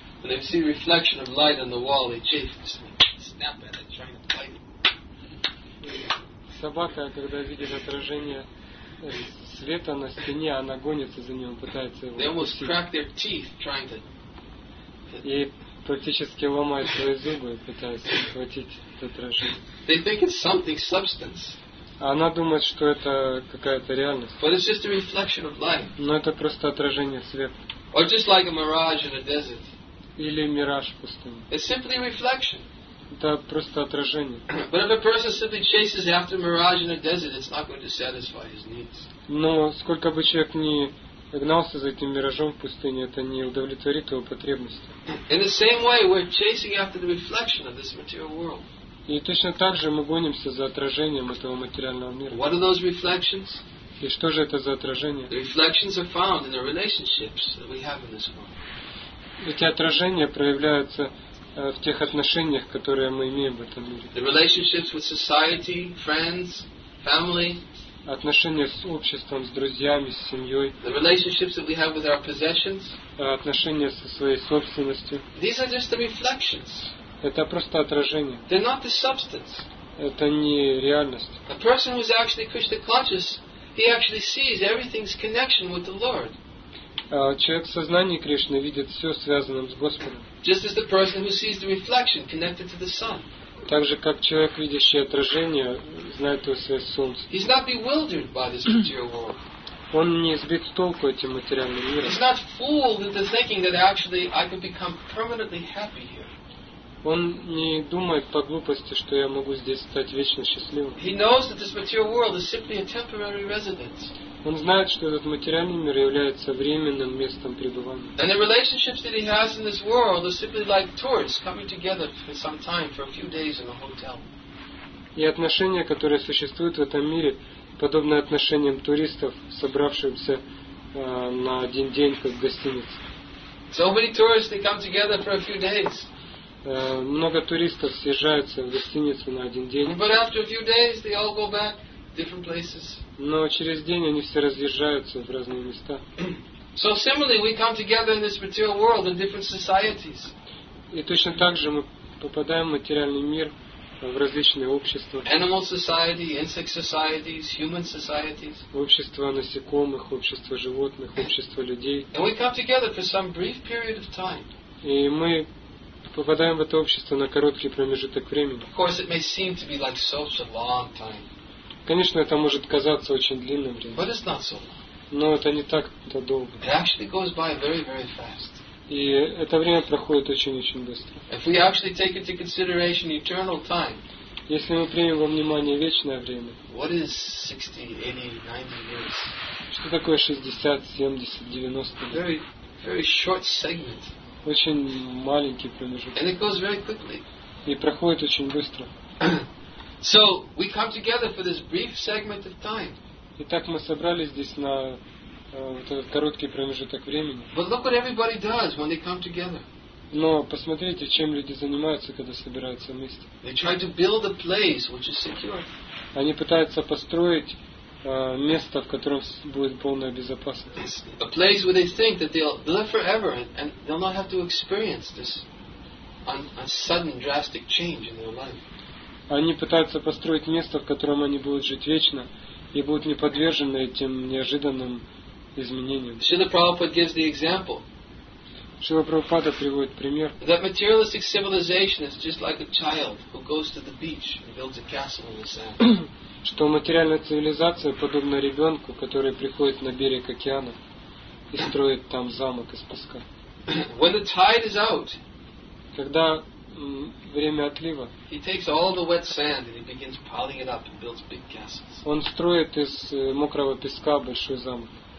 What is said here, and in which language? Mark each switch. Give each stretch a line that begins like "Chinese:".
English: When they see reflection of light on the wall, they chase and snap at it, trying to bite it.
Russian: Собака, когда видит отражение света на стене, она гонится за ним, пытается его.
English: They almost crack their teeth trying to.
Russian: И практически ломает свои зубы, пытаясь схватить это отражение.
English: They think it's something substance.
Russian: Она думает, что это какая-то реальность.
English: But it's just a reflection of light.
Russian: Но это просто отражение света.
English: Or just like a mirage in a desert.
Russian: Или мираж в пустыне.
English: It's simply reflection.
Russian: Это просто отражение.
English: But if a person simply chases after mirage in a desert, it's not going to satisfy his needs.
Russian: Но сколько бы человек ни гнался за этим миражом в пустыне, это не удовлетворит его потребности.
English: In the same way, we're chasing after the reflection of this material world.
Russian: И точно так же мы гонимся за отражением этого материального мира.
English: What are those reflections?
Russian: И что же это за отражение?
English: The reflections are found in the relationships that we have in this world.
Russian: Эти отражения проявляются в тех отношениях, которые мы имеем в этом мире.
English: The relationships with society, friends, family.
Russian: Отношения с обществом, с друзьями, с семьей.
English: The relationships that we have with our possessions.
Russian: Отношения со своей собственностью.
English: These are just the reflections.
Russian: Это просто отражение.
English: They're not the substance.
Russian: Это не реальность.
English: A person who is actually Krishna conscious, he actually sees everything's connection with the Lord.
Russian: Человек в сознании Кришны видит все связанным с Господом.
English: Just as the person who sees the reflection connected to the sun.
Russian: Так же, как человек, видящий отражение, знает его связь с солнцем.
English: He's not bewildered by this material world.
Russian: Он не сбит с толку этим материальным миром.
English: He's not fooled into thinking that actually I could become permanently happy here.
Russian: Он не думает по глупости, что я могу здесь стать вечно счастливым.
English: He knows that this material world is simply a temporary residence.
Russian: Он знает, что этот материальный мир является временным местом пребывания.
English: And the relationships that he has in this world are simply like tourists coming together for some time, for a few days in a hotel.
Russian: И отношения, которые существуют в этом мире, подобны отношениям туристов, собравшихся на один день как в гостинице.
English: So many tourists, they come together for a few days.
Russian: Много туристов съезжаются в гостиницу на один день.
English: But after a few days, they all go back to different places.
Russian: Но через день они все разъезжаются в разные места.
English: So similarly, we come together in this material world in different societies.
Russian: И точно так же мы попадаем в материальный мир в различные общества.
English: Animal society, insect societies, human societies.
Russian: Общество насекомых, общество животных, общество людей.
English: And we come together for some brief period of time.
Russian: И мы попадаем в это общество на короткий промежуток времени.
English: Of course, it may seem to be like such a long time.
Russian: Конечно, это может казаться очень длинным временем. Но это не так-то долго.
English: It actually goes by very, very fast.
Russian: И это время проходит очень-очень быстро.
English: If we actually take into consideration eternal time,
Russian: если мы примем во внимание вечное время,
English: what is 60, 80, 90 years?
Russian: Что такое 60, 70, 90 лет?
English: Very, very short segment.
Russian: Очень маленький промежуток.
English: And it goes very quickly.
Russian: И проходит очень быстро.
English: So we come together for this brief segment of time.
Russian: Итак, мы собрались здесь на вот этот короткий промежуток времени.
English: But look what everybody does when they come together.
Russian: Но посмотрите, чем люди занимаются, когда собираются вместе.
English: They try to build a place which is secure.
Russian: Они пытаются построить место, в котором будет полная безопасность.
English: It's a place where they think that they'll live forever and they'll not have to experience this sudden drastic change in their life.
Russian: Они пытаются построить место, в котором они будут жить вечно и будут не подвержены этим неожиданным изменениям.
English: Шрила Прабхупада gives the example.
Russian: Шрила Прабхупада приводит пример.
English: That materialistic civilization is just like a child who goes to the beach and builds a castle in the sand.
Russian: Что материальная цивилизация подобна ребенку, который приходит на берег океана и строит там замок из песка.
English: When the tide is out,
Russian: когда время отлива,
English: he takes all the wet sand and he begins piling it up and builds big castles.
Russian: Он строит из мокрого песка большой замок.